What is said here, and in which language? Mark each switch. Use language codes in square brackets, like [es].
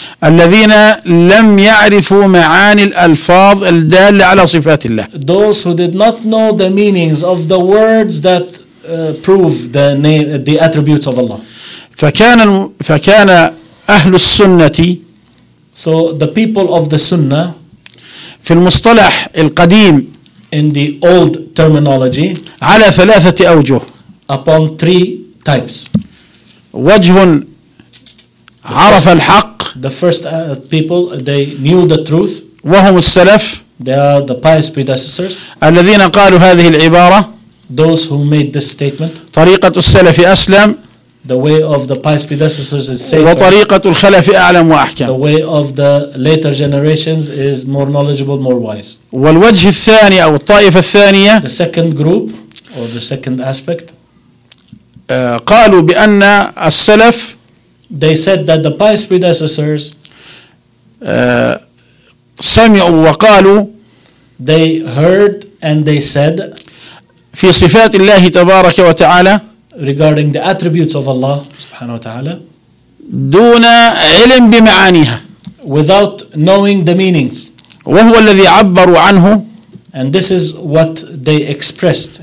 [ar] الذين لم يعرفوا معاني الألفاظ الدالة على صفات الله. [en] Those who did not know the meanings of the words that prove the name, the attributes of Allah. [ar] فكان أهل السنة. [en] So the people of the Sunnah. [ar] في المصطلح القديم. [en] In the old terminology. [ar] على ثلاثة أوجه. [en] Upon three types. [ar] وجه عرف الحق [en] the first people they knew the truth [ar] وهم السلف [en] they are the pious predecessors [ar] الذين قالوا هذه العبارة [en] those who made this statement [ar] طريقة السلف أسلم [en] the way of the pious predecessors is safer [ar] وطريقة الخلف أعلم وأحكم [en] the way of the later generations is more knowledgeable more wise [ar] والوجه الثاني أو الطائفة الثانية [en] the second group or the second aspect [ar] قالوا بأن السلف [en] they said that the pious predecessors [ar] سمعوا وقالوا [en] they heard and they said [ar] في صفات الله تبارك وتعالى [en] regarding the attributes of Allah سبحانه وتعالى [ar] دون علم بمعانيها [en] without knowing the meanings [ar] وهو الذي عبروا عنه [en] and this is what they expressed